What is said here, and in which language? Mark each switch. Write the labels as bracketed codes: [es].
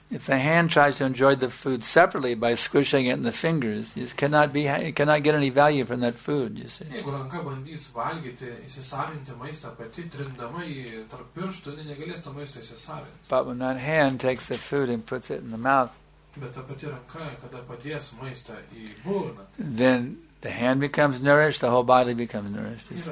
[en] If the hand tries to enjoy the food separately by squishing it in the fingers, it cannot get any value from that food, you see. [lt] Jeigu ranka bandys valgyti, įsisavinti maistą pati, trindama jį tarp pirštų, negalės to maisto įsisavinti. [en] But when that hand takes the food and puts it in the mouth, [lt] bet ta pati ranka, kada padės maistą į burną, [en] then the hand becomes nourished, the whole body becomes nourished.